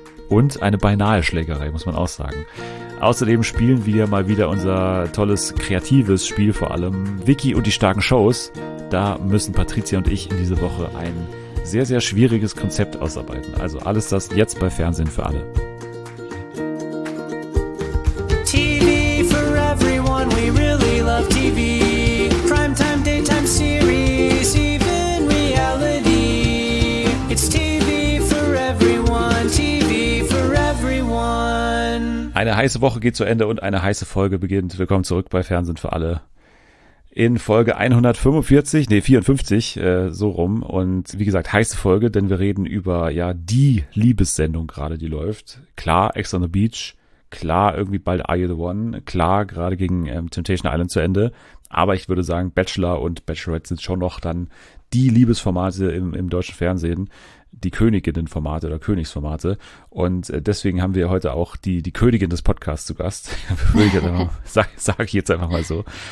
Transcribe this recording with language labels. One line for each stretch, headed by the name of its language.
German: Und eine beinahe Schlägerei, muss man auch sagen. Außerdem spielen wir mal wieder unser tolles, kreatives Spiel, vor allem Vicky und die starken Shows. Da müssen Patricia und ich in dieser Woche ein sehr, sehr schwieriges Konzept ausarbeiten. Also alles das jetzt bei Fernsehen für alle.
English: TV for everyone, we really love TV. Primetime, daytime series, even reality. It's TV for everyone, TV for everyone.
German: Eine heiße Woche geht zu Ende und eine heiße Folge beginnt. Willkommen zurück bei Fernsehen für alle. In Folge 54, und wie gesagt, heiße Folge, denn wir reden über ja die Liebessendung gerade, die läuft. Klar, Ex on the Beach, klar, irgendwie bald Are You the One, klar, gerade gegen Temptation Island zu Ende, aber ich würde sagen, Bachelor und Bachelorette sind schon noch dann die Liebesformate im deutschen Fernsehen, die Königinnenformate oder Königsformate, und deswegen haben wir heute auch die Königin des Podcasts zu Gast, sag ich jetzt einfach mal so.